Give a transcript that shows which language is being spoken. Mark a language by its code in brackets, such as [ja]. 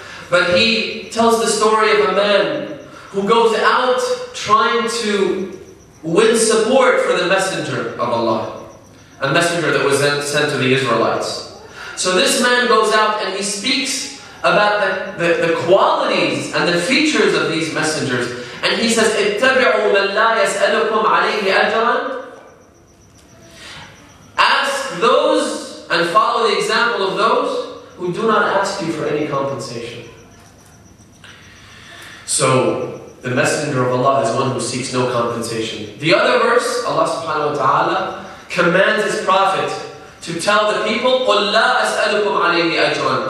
[en] But he tells the story of a man who goes out trying to win support for the Messenger of Allah. A messenger that was sent to the Israelites. So this man goes out and he speaks about the qualities and the features of these messengers. [ar] And he says, اتبعوا من لا يسألكم عليه أجراً. [en] Ask those and follow the example of those who do not ask you for any compensation. So the Messenger of Allah is one who seeks no compensation. The other verse, Allah subhanahu wa ta'ala commands His Prophet to tell the people, [ar] قل لا أسألكم عليه أجراً.